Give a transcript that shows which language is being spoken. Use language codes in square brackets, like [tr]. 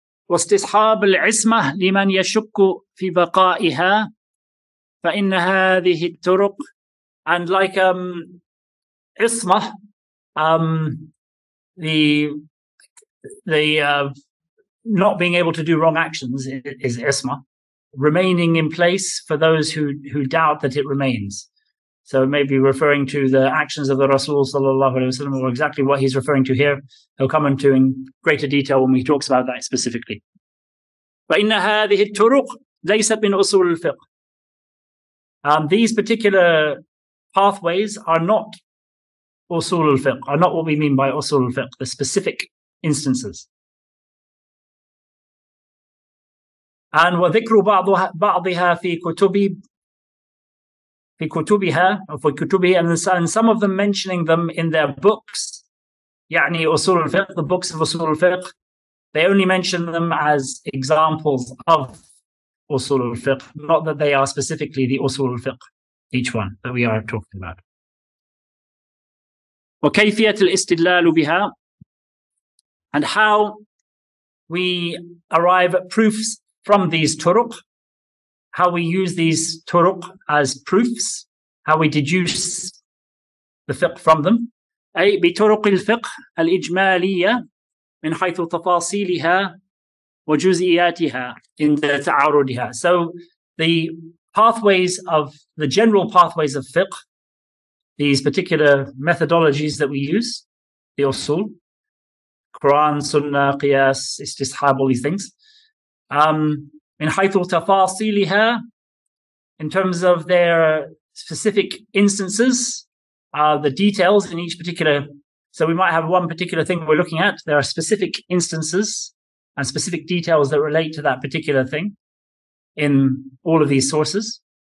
[ar] واستصحاب العصمة لمن يشك في بقائها فإن هذه الطرق, [en] and like عصمة, not being able to do wrong actions is عصمة, remaining in place for those who doubt that it remains. So maybe referring to the actions of the Rasul sallallahu alaihi wasallam, or exactly what he's referring to here, he'll come into in greater detail when he talks about that specifically. [ar] فَإِنَّ هَذِهِ الطُّرُقْ لَيْسَتْ مِنْ أُصُولِ الْفِقْهِ. [en] These particular pathways are not usul al-fiqh, are not what we mean by usul al-fiqh, the specific instances. And [ar] وَذِكْرُ بَعْضِهَا فِي كُتُبِهَا فِي كُتُبِهَا [en] and some of them mentioning them in their books, [ar] يعني أصول الفقه, [en] the books of أصول الفقه, they only mention them as examples of أصول الفقه, not that they are specifically the أصول الفقه, each one that we are talking about. [ar] وَكَيْفِيَةِ الْإِسْتِدْلَالُ بِهَا [en] and how we arrive at proofs from these turuq, how we use these turuq as proofs, how we deduce the fiqh from them. [ar] أي بطرق الفقه الإجمالية من حيث تفاصيلها وجزئياتها [en] in the [ar] تعارضها. [en] So the pathways of, the general pathways of fiqh, these particular methodologies that we use, the usul, Quran, Sunnah, Qiyas, Istishab, all these things, [ar] من حيث تفاصيلها, [en] in terms of their specific instances, the details in each particular, so we might have one particular thing we're looking at, there are specific instances and specific details that relate to that particular thing in all of these sources.